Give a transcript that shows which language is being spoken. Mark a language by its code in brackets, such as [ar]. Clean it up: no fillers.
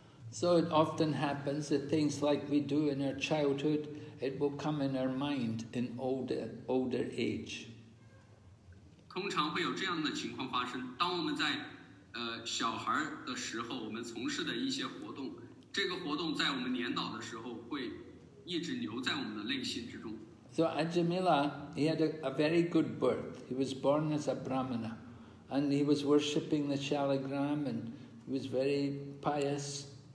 [en] So it often happens that things like we do in our childhood, it will come in our mind in older age. [zh] 通常会有这样的情况发生，当我们在小孩的时候，我们从事的一些活动，这个活动在我们年老的时候会一直留在我们的内心之中。 [en] So Ajamila, he had a very good birth. He was born as a Brahmana, and he was worshipping the Shaligram, and he was very pious.